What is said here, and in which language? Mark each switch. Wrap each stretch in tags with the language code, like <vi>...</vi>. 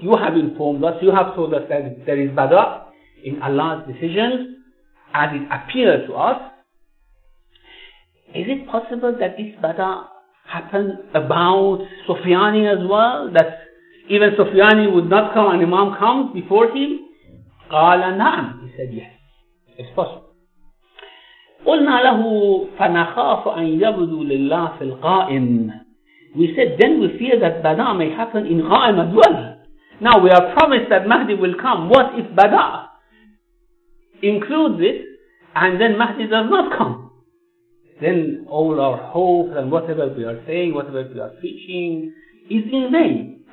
<en>You have informed us, you have told us that there is bada in Allah's decisions as it appears to us. Is it possible that this bada happened about Sufyani as well? That even Sufyani would not come and Imam comes before him? Qala na'am. He said yes. It's possible.</en> <ar>قلنا له فنخاف أن يبدو لله في القائم.</ar> <en>We said then we fear that bada may happen in qa'im as well. Now we are promised that Mahdi will come. What if bada includes this and then Mahdi does not come? Then all our hopes and whatever we are saying, whatever we are preaching is in vain.</en>